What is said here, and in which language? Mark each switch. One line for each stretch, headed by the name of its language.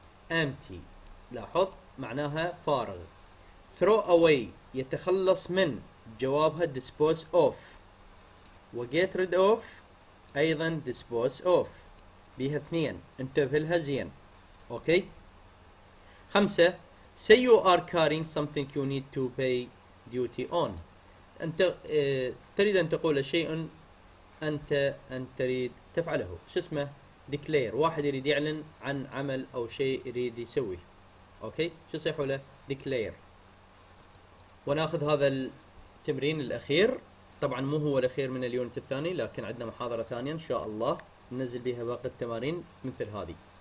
Arabic: empty لاحظ معناها فارغ.
English: throw away
Arabic: يتخلص من، جوابها
English: dispose of،
Arabic: و
English: get rid of
Arabic: أيضا dispose of، بها اثنين انتبهلها زين. أوكي، خمسة،
English: say you are carrying something you need to pay duty on.
Arabic: أنت تريد أن تقول شيء أن تريد تفعله، شو اسمه؟ declare، واحد يريد يعلن عن عمل أو شيء يريد يسويه. أوكي، شو صحيح له؟ declare. وناخذ هذا التمرين الأخير، طبعا مو هو الأخير من اليونت الثاني، لكن عندنا محاضرة ثانية إن شاء الله ننزل بها باقي التمارين مثل هذه.